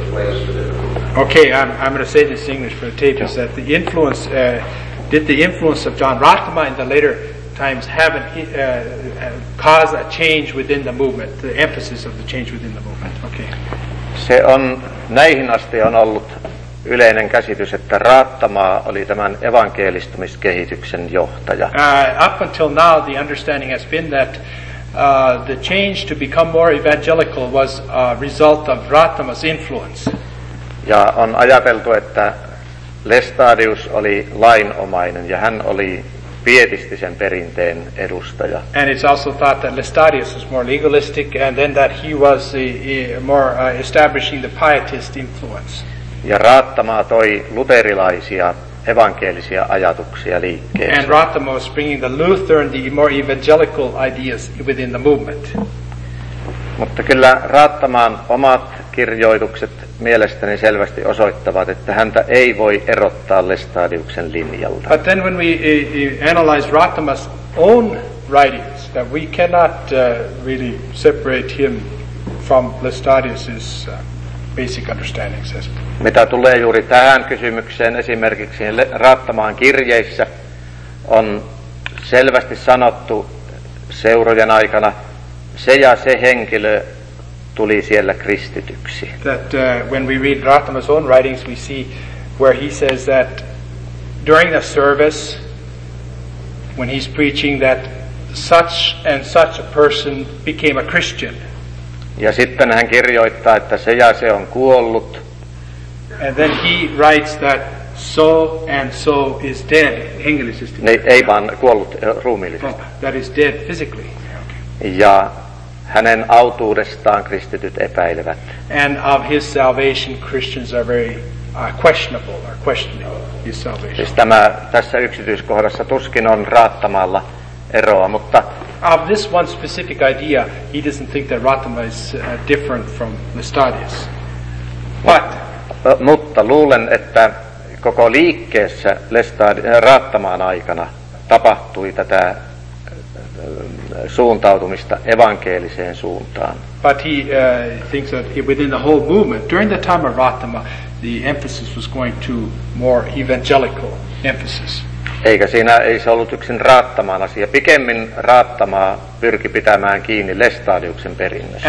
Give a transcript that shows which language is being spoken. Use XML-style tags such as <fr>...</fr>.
<en>Okay, I'm going to say this in English for the tape, is that the influence... did the influence of John Ratzinger in the later times have caused a change within the movement, the emphasis of the change within the movement? Okay.</en> <fi>Se on näihin asti on ollut yleinen käsitys, että Ratzinger oli tämän evankelistumiskehityksen johtaja.</fi> <en>Up until now, the understanding has been that the change to become more evangelical was a result of Ratzinger's influence.</en> <fi>Ja on ajateltu, että Lestadius oli lainomainen ja hän oli pietistisen perinteen edustaja.</fi> <en>And it's also thought that Lestadius was more legalistic and then that he was establishing the pietist influence.</en> <fi>Ja Raattamaa toi luterilaisia evankelisia ajatuksia liikkeelle.</fi> <en>And Raattamaa was bringing the Lutheran, the more evangelical ideas within the movement.</en> <fi>Mutta kyllä Raattamaan omat kirjoitukset mielestäni selvästi osoittavat, että häntä ei voi erottaa Lestadiuksen linjalta.</fi> <en>But then when we analyze Ratzinger's own writings, that we cannot really separate him from Lestadius's basic understandings.</en> <fi>Mitä tulee juuri tähän kysymykseen, esimerkiksi Ratzinger'n kirjeissä on selvästi sanottu seurojen aikana, se ja se henkilö tuli siellä kristityksi.</fi> <en>That when we read Ratzinger's own writings, we see where he says that during the service, when he's preaching, that such and such a person became a Christian.</en> <fi>Ja sitten hän kirjoittaa, että se ja se on kuollut.</fi> <en>And then he writes that so and so is dead, hengellisesti.</en> <fi>Ei vaan kuollut ruumiillisesti.</fi> <en>That is dead physically. Okay.</en> <fi>Ja hänen autuudestaan kristityt epäilevät.</fi> <en>And of his salvation Christians are very questionable or questioning his salvation.</en> <fi>Siis tämä tässä yksityiskohdassa tuskin on Raattamalla eroa, mutta</fi> <en>of this one specific idea he doesn't think that Raattama is different from Lestadius.</en> <fi>Mutta luulen, että koko liikkeessä Raattamaan aikana tapahtui tätä suuntautumista evankeliseen suuntaan.</fi> <en>But he thinks that within the whole movement, during the time of Ratzinger, the emphasis was going to more evangelical emphasis.</en> <fi>Eikä siinä ei se ollut yksin Ratzinger'n asia. Pikemmin Ratzinger pyrki pitämään kiinni Lestadiuksen perinnöstä.</fi>